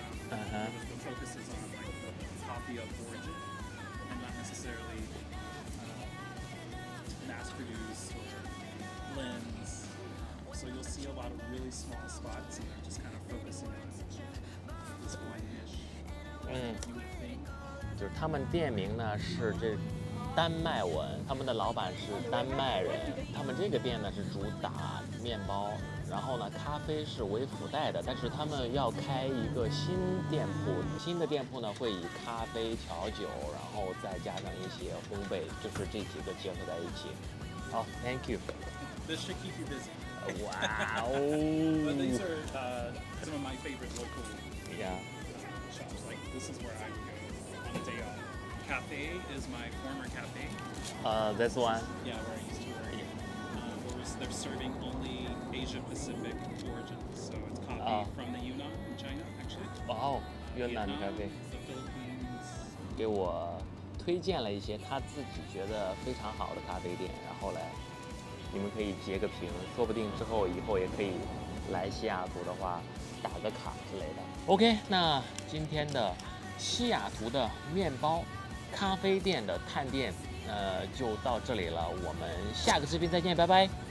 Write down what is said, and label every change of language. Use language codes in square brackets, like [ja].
[en] The focus is on the coffee of origin and not necessarily mass produced or blend. So you'll see a lot of really small spots, and they're just kind of focusing on this one dish. You would think. [zh] 就是他们店名呢是这丹麦文，他们的老板是丹麦人。他们这个店呢是主打面包，然后呢咖啡是为附带的，但是他们要开一个新店铺，新的店铺呢会以咖啡调酒，然后再加上一些烘焙，就是这几个结合在一起。 [en] 好 ，Thank you. This should keep you busy. Wow! But these are some of my favorite local shops. Like, this is where I go on a day off. Cafe is my former cafe. This one? Yeah, where I used to work. They're serving only Asia Pacific origins. So it's coffee from the Yunnan, China, actually. Wow! Yunnan cafe. The Philippines. [zh] 给我推荐了一些他自己觉得非常好的咖啡店，然后呢你们可以截个屏，说不定之后以后也可以来西雅图的话打个卡之类的。 OK， 那今天的西雅图的面包咖啡店的探店就到这里了，我们下个视频再见，拜拜。